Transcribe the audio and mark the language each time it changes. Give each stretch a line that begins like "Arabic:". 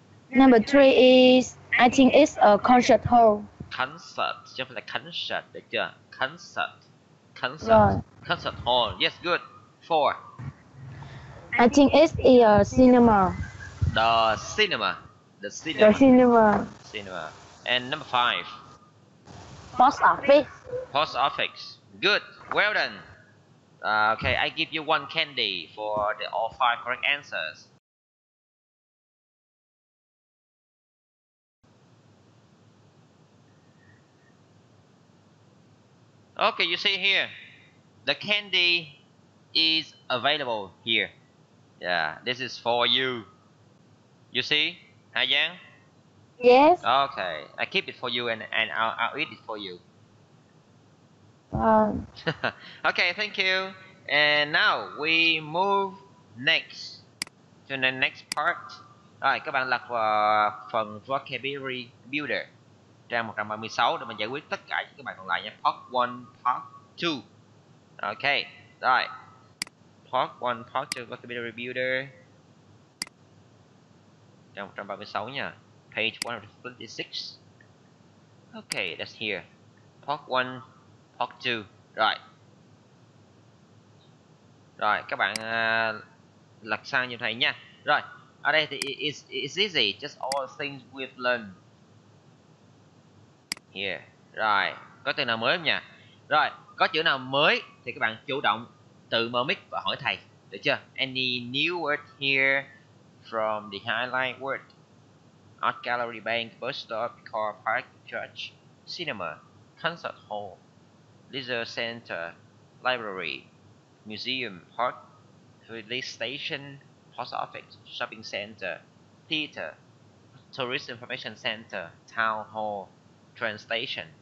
English: Number three is, I think it's a concert hall.
Vietnamese: Concert, chứ phải là concert, được chưa?
English: Concert. Concert. Right. Concert hall, yes, good. Four. I think it's a cinema. The cinema. The cinema. The cinema. Cinema. And number five. Post office. Post office. Good. Well done. Okay, I give you one candy for the all five correct answers. Okay, you see here. The candy is available here. Yeah, this is for you. You see, Haiyang? Yes. Okay, I keep it for you and I'll eat it for you. okay, thank you. And now we move next to the next part.
Vietnamese: Rồi, các bạn lật vào phần vocabulary builder. Trang 136 để mình giải quyết tất cả những cái bài còn lại nha.
English: Part 1, part 2. Okay, rồi. Part 1, part 2, vocabulary builder.
Vietnamese: Trang 136 nha.
English: Page 136. Okay, that's here. Part 1, part 2. Right.
Vietnamese: Rồi, các bạn lật sang như thầy nha. Rồi, ở đây thì
English: it's easy. Just all things we've learned.
Vietnamese: Here. Rồi, có từ nào mới không nha? Rồi, có chữ nào mới thì các bạn chủ động tự mở mic và hỏi thầy, được chưa?
English: Any new word here from the highlight word? Art gallery, bank, bus stop, car park, church, cinema, concert hall, leisure center, library, museum, park, police station, post office, shopping center, theater, tourist information center, town hall, train station.